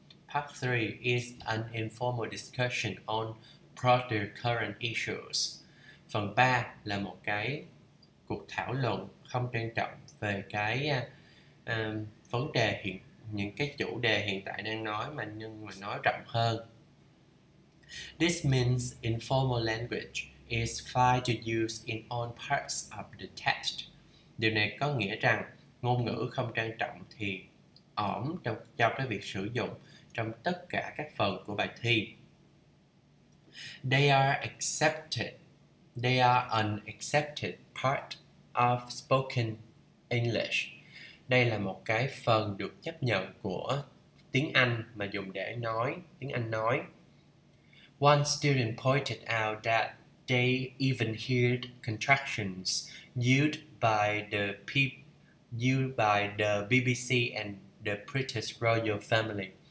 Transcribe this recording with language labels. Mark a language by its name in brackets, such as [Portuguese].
[English] Part 3 is an informal discussion on broader current issues. [Vietnamese] Phần 3 là một cái cuộc thảo luận không trang trọng về cái vấn đề hiện, những cái chủ đề hiện tại đang nói mà nhưng mà nói rộng hơn. [English] This means informal language is fine to use in all parts of the text. [Vietnamese] Điều này có nghĩa rằng ngôn ngữ không trang trọng thì ổn trong cho cái việc sử dụng trong tất cả các phần của bài thi. [English] They are accepted. They are an accepted part of spoken English. [Vietnamese] Đây là một cái phần được chấp nhận của tiếng Anh mà dùng để nói, tiếng Anh nói. [English] One student pointed out that they even heard contractions used by the BBC and the British Royal Family.